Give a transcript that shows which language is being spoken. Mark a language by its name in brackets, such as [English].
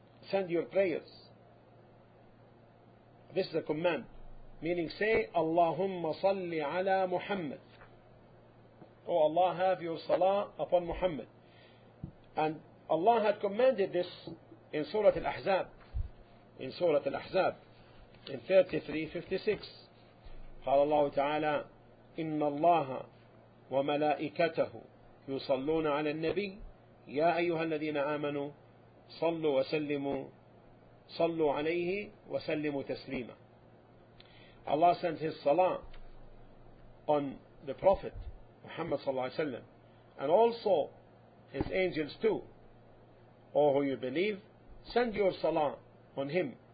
[English] Send your prayers. This is a command. Meaning say, [Arabic] Allahumma salli ala Muhammad. [English] Oh Allah, have your salah upon Muhammad. And Allah had commanded this in Surah Al-Ahzab. In Surah Al-Ahzab, in 33:56, [Arabic] قال الله تعالى إن الله وملائكته يصلون على النبي يا أيها الذين آمنوا صلوا وسلموا صلوا عليه وسلموا تسليما. [English] Allah sent His Salah on the Prophet Muhammad صلى الله عليه وسلم, and also His angels too. All who you believe, send your Salah on Him.